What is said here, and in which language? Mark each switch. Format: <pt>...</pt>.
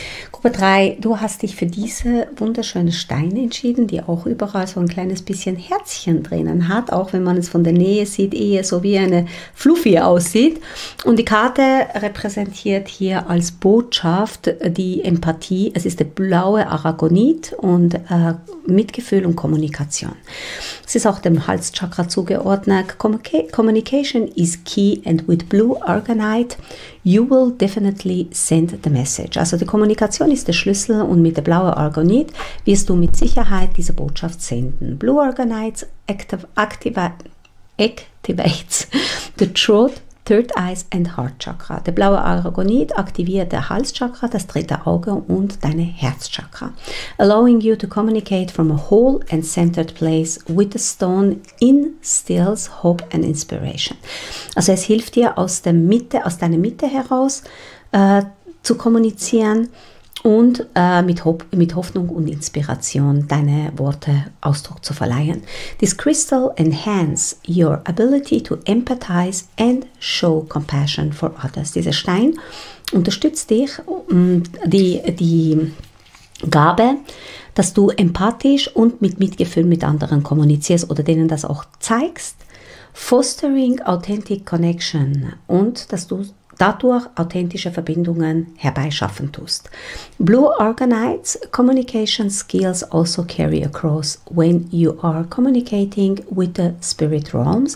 <de>Gruppe 3, du hast dich für diese wunderschöne Steine entschieden, die auch überall so ein kleines bisschen Herzchen drinnen hat, auch wenn man es von der Nähe sieht, eher so wie eine Fluffy aussieht. Und die Karte repräsentiert hier als Botschaft die Empathie. Es ist der blaue Aragonit und Mitgefühl und Kommunikation. Es ist auch dem Halschakra zugeordnet.</de> <en>Communication is key and with blue Aragonite, you will definitely send the message.</en> <de>Also die Kommunikation ist der Schlüssel und mit der blauen Aragonit wirst du mit Sicherheit diese Botschaft senden.</de> <en>Blue Aragonite activates the truth Third Eyes and Heart Chakra.</en> <de>Der blaue Aragonit aktiviert der Halschakra, das dritte Auge und deine Herzchakra.</de> <en>Allowing you to communicate from a whole and centered place with the stone instills hope and inspiration.</en> <de>Also es hilft dir aus der Mitte, aus deiner Mitte heraus zu kommunizieren und mit Hoffnung und Inspiration deine Worte Ausdruck zu verleihen.</de> <en>This crystal enhance your ability to empathize and show compassion for others.</en> <de>Dieser Stein unterstützt dich, die Gabe, dass du empathisch und mit Mitgefühl mit anderen kommunizierst oder denen das auch zeigst.</de> <en>Fostering authentic connection</en> <de>und dass du dadurch authentische Verbindungen herbeischaffen tust.</de> <en>Blue Aragonite's communication skills also carry across when you are communicating with the spirit realms.</en>